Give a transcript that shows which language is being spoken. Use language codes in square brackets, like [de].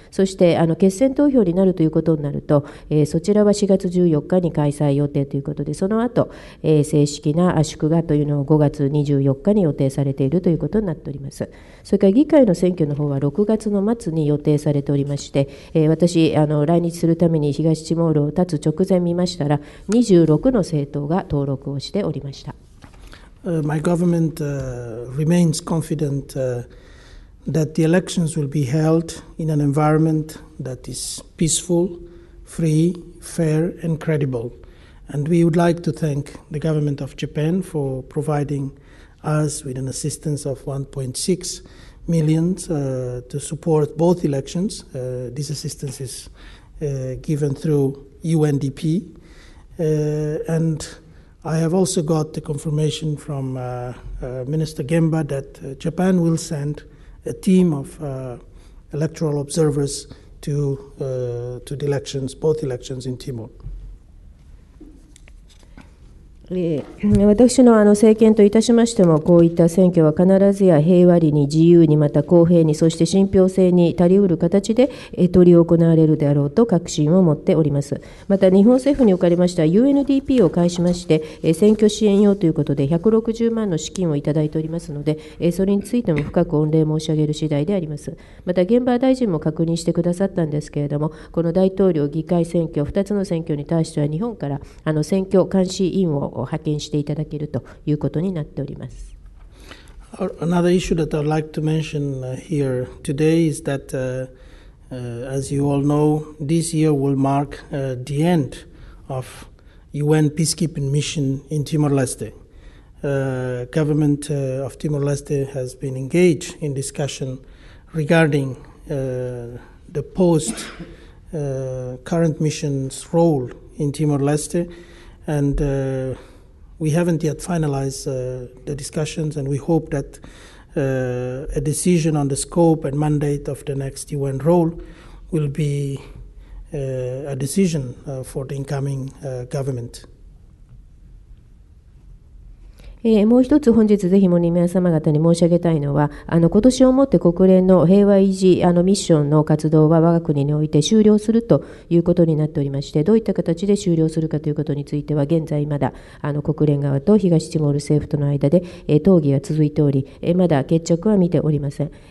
[ja] そして決選投票になるということになると、そちらは4月14日に開催予定ということで、その後、正式な圧縮がというのを5月24日に予定されているということになっております。それから議会の選挙の方は6月の末に予定されておりまして、私来日するために東ティモールを立つ直前見ましたら、26の政党が登録をしておりました。 [en] My government remains confident that the elections will be held in an environment that is peacefulfree, fair, and credible. And we would like to thank the government of Japan for providing us with an assistance of 1.6 million to support both elections. This assistance is given through UNDP. And I have also got the confirmation from Minister Gemba that Japan will send a team of electoral observers to the elections, both elections in Timor. [ja] 私 の、 あの政権といたしましても、こういった選挙は必ずや平和に、自由に、また公平に、そして信憑性に足りうる形で取り行われるであろうと確信を持っております。また日本政府におかれましては、 UNDP を介しまして、選挙支援用ということで160万の資金をいただいておりますので、それについても深く御礼申し上げる次第であります。また現場大臣も確認してくださったんですけれども、この大統領議会選挙2つの選挙に対しては、日本からあの選挙監視委員を派遣していただけるということになっております。 [en] Another issue that I'd like to mention here today is that as you all know, this year will mark the end of UN peacekeeping mission in Timor-Leste. Government of Timor-Leste has been engaged in discussion regarding the post current mission's role in Timor-Leste, andwe haven't yet finalized the discussions, and we hope that a decision on the scope and mandate of the next UN role will be a decision for the incoming government. [ja] もう一つ、本日ぜひも皆様方に申し上げたいのは、あの今年をもって国連の平和維持あのミッションの活動は我が国において終了するということになっておりまして、どういった形で終了するかということについては、現在まだあの国連側と東ティモール政府との間で討議が続いており、まだ決着は見ておりません。